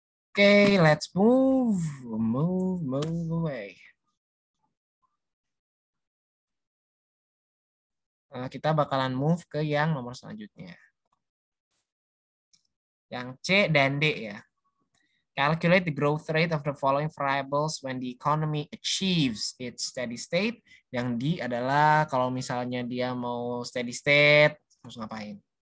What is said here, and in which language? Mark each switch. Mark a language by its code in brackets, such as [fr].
[en] Okay, let's move away. [id] Nah, kita bakalan [en] move [id] ke yang nomor selanjutnya. Yang C dan D ya. [en] Calculate the growth rate of the following variables when the economy achieves its steady state. [id] Yang D adalah kalau misalnya dia mau steady state, harus ngapain?